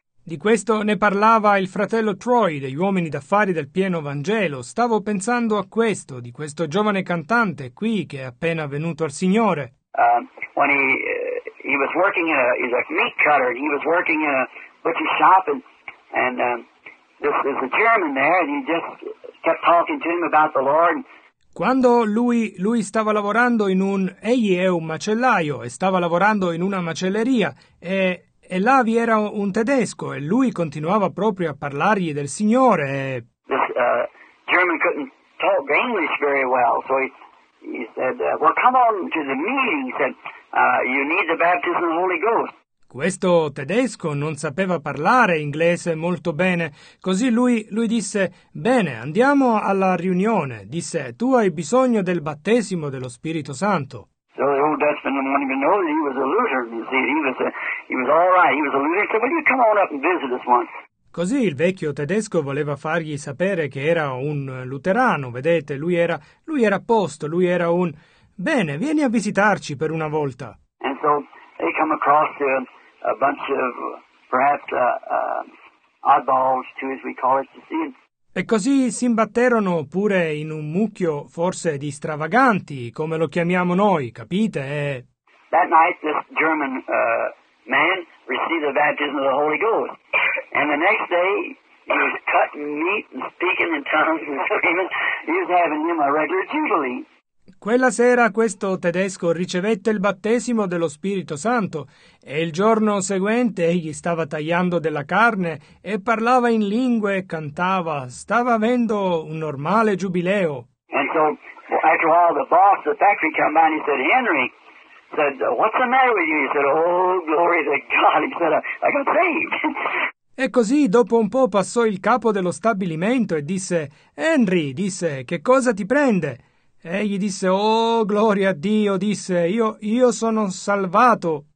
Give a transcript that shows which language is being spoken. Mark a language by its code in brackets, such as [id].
[it] Di questo ne parlava il fratello Troy, degli uomini d'affari del pieno Vangelo. Stavo pensando a questo, di questo giovane cantante qui che è appena venuto al Signore. [en] When he was working in a meat cutter, and he was working in a butcher shop, and there's a German there, and he just kept talking to him about the Lord. [it] Quando lui stava lavorando in un... Egli è un macellaio e stava lavorando in una macelleria e là vi era un tedesco e lui continuava proprio a parlargli del Signore e... [en] This German couldn't talk English very well, so he said, come on to the meeting, he said, you need the baptism of the Holy Ghost. [it] Questo tedesco non sapeva parlare inglese molto bene, così lui disse, bene, andiamo alla riunione, disse, tu hai bisogno del battesimo dello Spirito Santo. [en] So the old Dutchman didn't even know that he was a Lutheran, you see, he was all right, he was a Lutheran, so will you come on up and visit us once? [it] Così il vecchio tedesco voleva fargli sapere che era un luterano, vedete, lui era a posto, lui era un, bene, vieni a visitarci per una volta. [en] And so they come across to a bunch of perhaps oddballs too, as we call it, to see him. [it] E così si imbatterono pure in un mucchio forse di stravaganti, come lo chiamiamo noi, capite? [en] That night this German man received the baptism of the Holy Ghost. And the next day he was cutting meat and speaking in tongues and screaming. He was having him a regular jubilee. [it] Quella sera questo tedesco ricevette il battesimo dello Spirito Santo e il giorno seguente egli stava tagliando della carne e parlava in lingue e cantava. Stava avendo un normale giubileo. [en] And so, after a while, the boss of the factory came by and he said, Henry, said, what's the matter with you? He said, oh, glory to God. He said, I got saved. [it] E così dopo un po' passò il capo dello stabilimento e disse, Henry, disse, che cosa ti prende? E gli disse, oh, gloria a Dio, disse, io sono salvato.